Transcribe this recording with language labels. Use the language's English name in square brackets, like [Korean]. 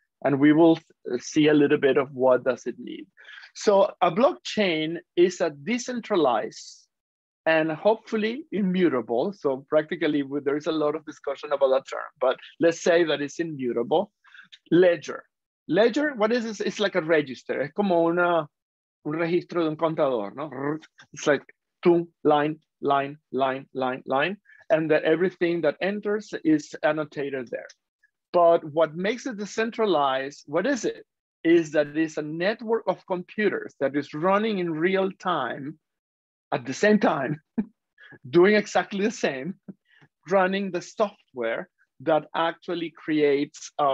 [English] And we will see a little bit of what does it mean. So a blockchain is a decentralized and hopefully immutable. So practically there's a lot of discussion about that term, but let's say that it's immutable ledger. Ledger, what is this? It's like a register. [Spanish] Es como una, un registro de un contador, no? [English] It's like two line. And that everything that enters is annotated there. But what makes it decentralized, what is it? Is that it's a network of computers that is running in real time at the same time, doing exactly the same, running the software that actually creates